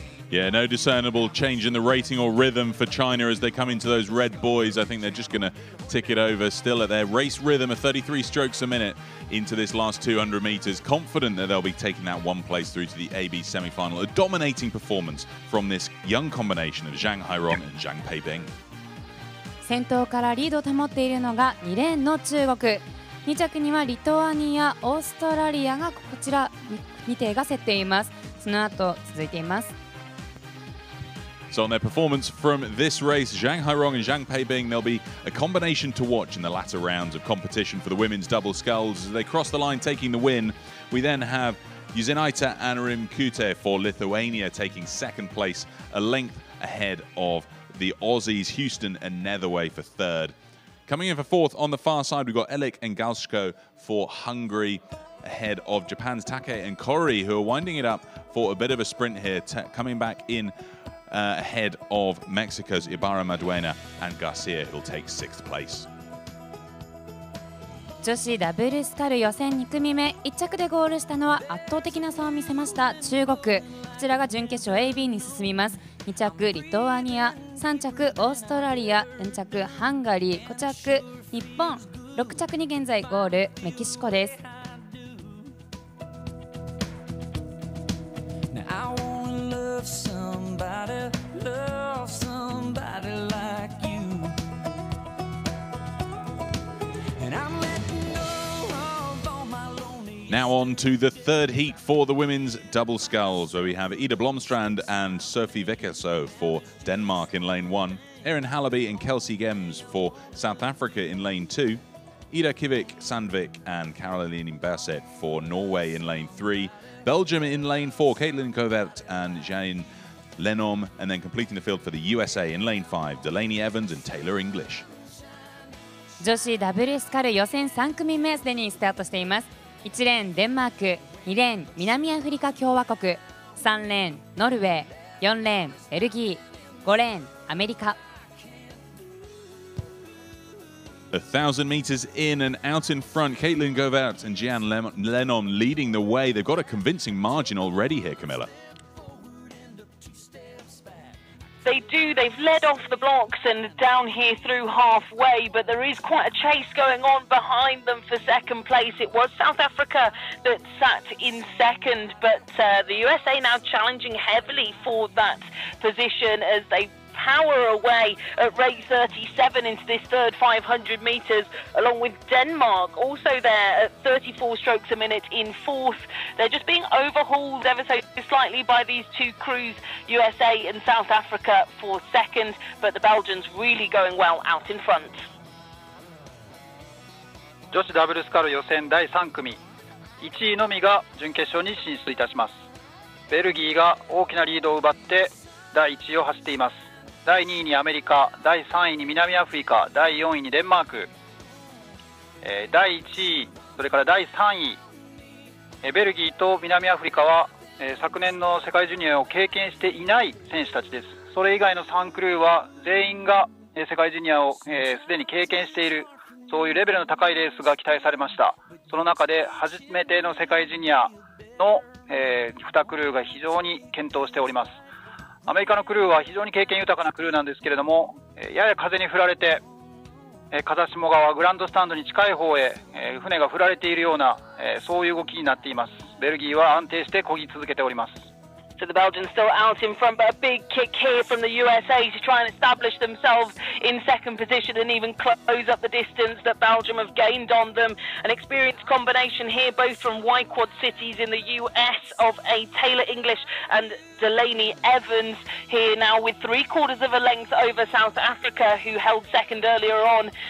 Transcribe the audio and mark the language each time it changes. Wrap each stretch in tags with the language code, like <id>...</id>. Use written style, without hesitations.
<en>Yeah, no discernible change in the rating or rhythm for China as they come into those red buoys. I think they're just going to tick it over still at their race rhythm of 33 strokes a minute into this last 200 metres. Confident that they'll be taking that one place through to the AB semi-final. A dominating performance from this young combination of Zhang Hairong and Zhang Peibing.</en> <ja>先頭からリードを保っているのが2レーンの中国。 2着にはリトアニア、オーストラリアがこちら2艇が競っています。その後続いています。</ja> <en>So on their performance from this race, Zhang Hairong and Zhang Peibing, they'll be a combination to watch in the latter rounds of competition for the women's double sculls. As they cross the line taking the win, we then have Juzinaita Anarimkute for Lithuania taking second place, a length ahead of the Aussies Houston and Netherway for third. Coming in for fourth on the far side, we've got Elik and Galsko for Hungary, ahead of Japan's Take and Kori, who are winding it up for a bit of a sprint here, coming back in ahead of Mexico's Ibarra Maduena and Garcia, who will take sixth place.</en> <ja>女子ダブルスカル予選2組目、1着でゴールしたのは圧倒的な差を見せました中国。こちらが準決勝 AB に進みます。2着リトアニア、3着オーストラリア、4着ハンガリー、5着日本、6着に現在ゴールメキシコです。</ja> <en>Now on to the third heat for the women's double sculls, where we have Ida Blomstrand and Sophie Vickerso for Denmark in lane one, Erin Hallaby and Kelsey Gems for South Africa in lane two, Ida Kivik Sandvik and Caroline Berset for Norway in lane three, Belgium in lane four, Caitlin Covert and Jane Lenormand, and then completing the field for the USA in lane five, Delaney Evans and Taylor English.</en> <ja>女子ダブルスカル予選3組目すでにスタートしています。 1レーンデンマーク、2レーン南アフリカ共和国、3レーンノルウェー、4レーンベルギー、5レーンアメリカ。</ja> <en>1,000 meters in and out in front, Caitlin Govert and Jeanne Lenormand leading the way. They've got a convincing margin already here, Camilla. They do. They've led off the blocks and down here through halfway, but there is quite a chase going on behind them for second place. It was South Africa that sat in second, but the USA now challenging heavily for that position as they power away at rate 37 into this third 500 metres, along with Denmark also there at 34 strokes a minute in fourth. They're just being overhauled ever so slightly by these two crews, USA and South Africa for second, but the Belgians really going well out in front.</en> <ja>女子ダブルスカル予選第3組、1位のみが準決勝に進出いたします。ベルギーが大きなリードを奪って第1位を走っています。第2位にアメリカ、第3位に南アフリカ、第4位にデンマーク、第1位、それから第3位、ベルギーと南アフリカは、昨年の世界ジュニアを経験していない選手たちです。それ以外の3クルーは全員が、世界ジュニアをすで、に経験している、そういうレベルの高いレースが期待されました。その中で初めての世界ジュニアの、2クルーが非常に健闘しております。アメリカのクルーは非常に経験豊かなクルーなんですけれども、やや風に振られて風下側グランドスタンドに近い方へ船が振られているような、そういう動きになっています。ベルギーは安定して漕ぎ続けております。</ja> <en>So the Belgians still out in front, but a big kick here from the USA to try and establish themselves in second position and even close up the distance that Belgium have gained on them. An experienced combination here, both from Y Quad cities in the US, of a Taylor English and Delaney Evans here now with three quarters of a length over South Africa, who held second earlier on.</en>